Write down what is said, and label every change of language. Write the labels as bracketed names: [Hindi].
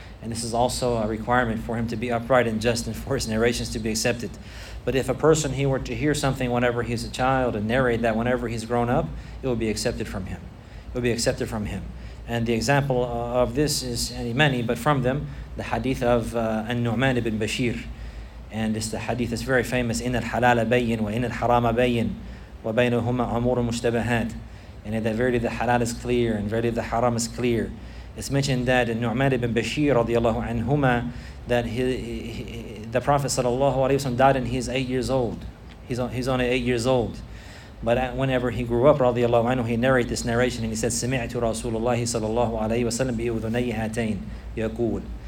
[English] And this is also a requirement for him to be upright and just and for his narrations to be accepted. But if a person, he were to hear something whenever he's a child and narrate that whenever he's grown up, it would be accepted from him. And the example of this is many, but from them, the hadith of An-Nu'man ibn Bashir. And it's the hadith that's very famous, [Arabic] إِنَّ الْحَلَالَ بَيِّنْ وَإِنَّ الْحَرَامَ بَيِّنْ وَبَيْنُهُمَا أُمُورٌ مُشْتَبَهَاتٌ. [English] And that verily the halal is clear, and verily the haram is clear. It's mentioned that in Nu'man ibn Bashir radiallahu anhuma, that the Prophet sallallahu alayhi wa sallam died and he's 8 years old. He's only 8 years old. But whenever he grew up radiallahu anhu, he narrated this narration and he said, [Arabic] سمعت رسول الله صلى الله عليه وسلم بأذني هاتين يقول.